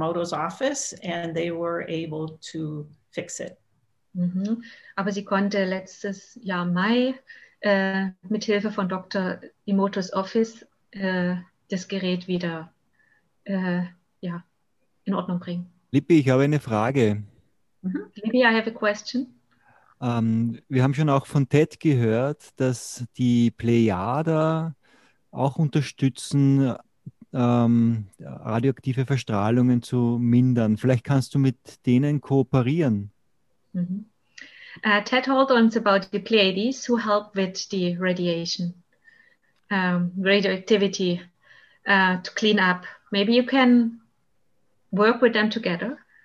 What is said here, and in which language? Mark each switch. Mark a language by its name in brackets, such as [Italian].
[English] Moto's office and they were able to fix it. Mhm. [German] Aber sie konnte letztes Jahr Mai mit Hilfe von Dr. Imotos Office das Gerät wieder in Ordnung bringen. Lippi, ich habe eine Frage. [English] Mhm. Lippi, I have a question. [German] Wir haben schon auch von Ted gehört, dass die Plejada auch unterstützen, radioaktive Verstrahlungen zu mindern. Vielleicht kannst du mit denen kooperieren. Mhm. [English] Ted told us about the Pleiades who help with the radiation, radioactivity to clean up. Maybe you can work with them together.